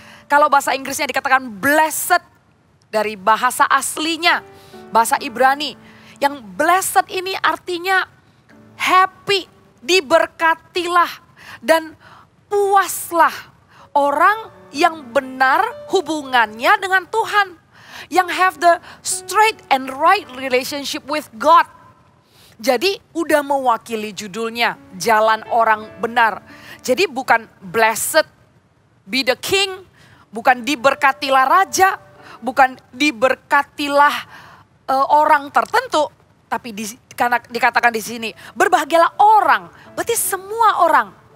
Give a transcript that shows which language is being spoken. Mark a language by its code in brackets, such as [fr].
[id] Kalau bahasa Inggrisnya dikatakan blessed dari bahasa aslinya, bahasa Ibrani. Yang blessed ini artinya happy, diberkatilah dan puaslah orang yang benar hubungannya dengan Tuhan. Yang [en] have the straight and right relationship with God. [id] Jadi udah mewakili judulnya, jalan orang benar. Jadi bukan [en] blessed be the king. [id] Bukan diberkatilah raja, bukan diberkatilah orang tertentu, tapi dikatakan di sini berbahagialah orang, berarti semua orang.